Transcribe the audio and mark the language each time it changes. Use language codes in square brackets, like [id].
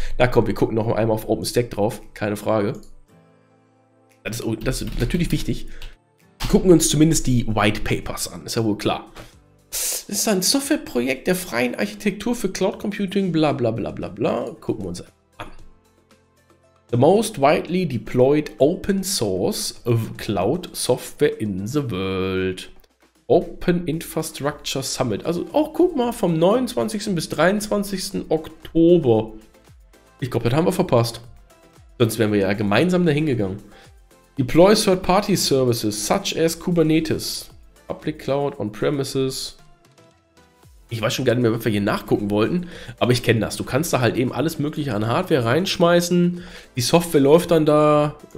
[de] Na komm, wir gucken noch einmal auf OpenStack drauf. Keine Frage. Das ist natürlich wichtig. Wir gucken uns zumindest die White Papers an, ist ja wohl klar. Das ist ein Softwareprojekt der freien Architektur für Cloud Computing, bla bla bla bla bla. Gucken wir uns an. [en] The most widely deployed open source of cloud software in the world. Open Infrastructure Summit. [de] Also auch guck mal, vom 29. bis 23. Oktober. Ich glaube, das haben wir verpasst. Sonst wären wir ja gemeinsam dahin gegangen. [en] Deploy third-party services such as Kubernetes. Public Cloud, On-Premises. [de] Ich weiß schon gar nicht mehr, was wir hier nachgucken wollten, aber ich kenne das. Du kannst da halt eben alles Mögliche an Hardware reinschmeißen. Die Software läuft dann da.